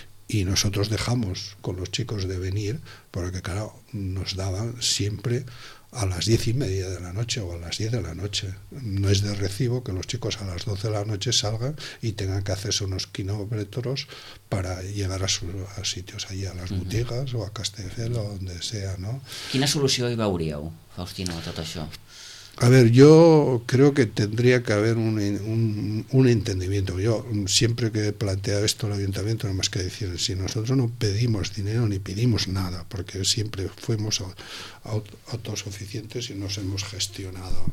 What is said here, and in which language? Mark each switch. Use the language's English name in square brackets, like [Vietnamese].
[Spanish] Y nosotros dejamos con los chicos de venir, porque claro, nos daban siempre a las 10:30 de la noche o a las 10 de la noche. No es de recibo que los chicos a las 12 de la noche salgan y tengan que hacerse unos kilómetros para llegar a sitios allí, a las uh-huh. botigues o a Castelldefels o donde sea, ¿no? [Catalan] ¿Quina solució hi veuríeu, Faustino, a tot això? [Spanish] A ver, yo creo que tendría que haber un entendimiento. Yo siempre que plantea esto el ayuntamiento, no más que decir, si nosotros no pedimos dinero ni pedimos nada, porque siempre fuimos autosuficientes y nos hemos gestionado.